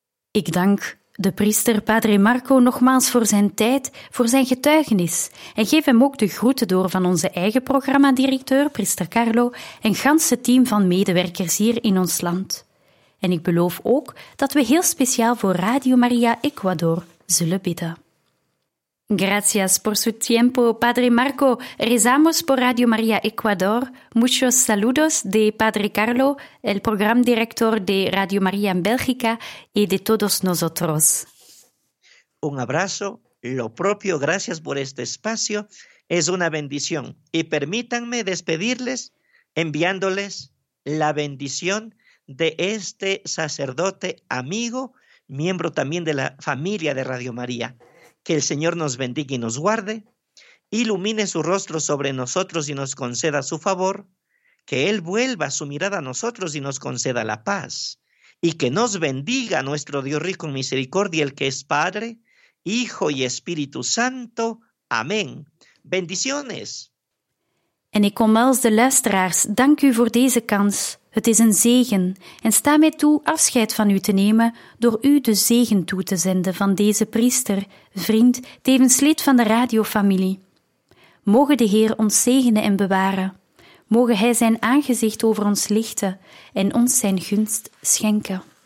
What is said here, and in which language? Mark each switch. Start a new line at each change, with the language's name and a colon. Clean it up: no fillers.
Dutch: Ik dank de priester Padre Marco nogmaals voor zijn tijd, voor zijn getuigenis en geef hem ook de groeten door van onze eigen programmadirecteur, priester Carlo, en gans het team van medewerkers hier in ons land. En ik beloof ook dat we heel speciaal voor Radio Maria Ecuador zullen bidden.
Spanish: Gracias por su tiempo, Padre Marco. Rezamos por Radio María Ecuador. Muchos saludos de Padre Carlo, el programa director de Radio María en Bélgica, y de todos nosotros. Un abrazo, lo propio, gracias por este espacio. Es una bendición. Y permítanme despedirles enviándoles la bendición de este sacerdote amigo, miembro también de la familia de Radio María. Que el Señor nos bendiga y nos guarde, ilumine su rostro sobre nosotros y nos conceda su favor, que Él vuelva su mirada a nosotros y nos conceda la paz, y que nos bendiga nuestro Dios rico en misericordia, el que es Padre, Hijo y Espíritu Santo. Amén. Bendiciones.
Dutch: En ik omhels de luisteraars, dank u voor deze kans. Het is een zegen en sta mij toe afscheid van u te nemen door u de zegen toe te zenden van deze priester, vriend, tevens lid van de radiofamilie. Mogen de Heer ons zegenen en bewaren. Mogen Hij zijn aangezicht over ons lichten en ons zijn gunst schenken.